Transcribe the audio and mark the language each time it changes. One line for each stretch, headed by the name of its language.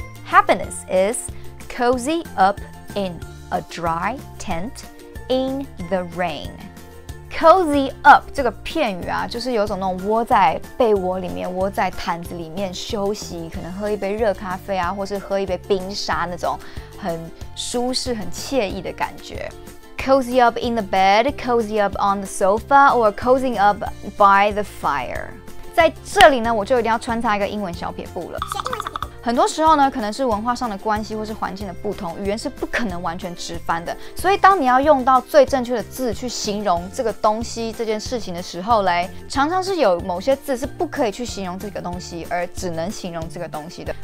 English: Happiness is cozy up in a dry tent in the rain.
Chinese: Cozy up 这个片语啊，就是有种那种窝在被窝里面、窝在毯子里面休息，可能喝一杯热咖啡啊，或是喝一杯冰沙那种很舒适、很惬意的感觉。
English: Cozy up in the bed, cozy up on the sofa, or cozying up by the fire.
Chinese: 在这里呢，我就一定要穿插一个英文小撇步了。很多时候呢，可能是文化上的关系或是环境的不同，语言是不可能完全直翻的。所以当你要用到最正确的字去形容这个东西、这件事情的时候呢，常常是有某些字是不可以去形容这个东西，而只能形容这个东西的。